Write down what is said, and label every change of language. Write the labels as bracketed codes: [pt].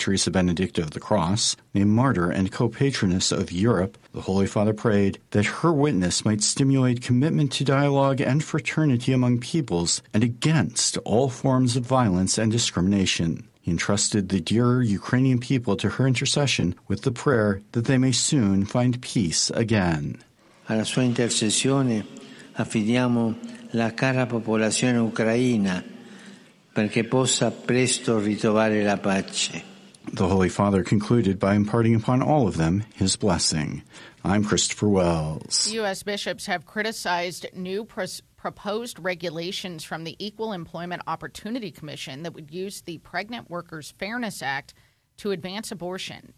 [en] Teresa Benedicta of the Cross, a martyr and co-patroness of Europe, the Holy Father prayed that her witness might stimulate commitment to dialogue and fraternity among peoples and against all forms of violence and discrimination. He entrusted the dear Ukrainian people to her intercession with the prayer that they may soon find peace again. [it] Alla sua intercessione affidiamo la cara popolazione ucraina, perché possa presto ritrovare la pace. [en] The Holy Father concluded by imparting upon all of them his blessing. I'm Christopher Wells. U.S. bishops have criticized new proposed regulations from the Equal Employment Opportunity Commission that would use the Pregnant Workers Fairness Act to advance abortion.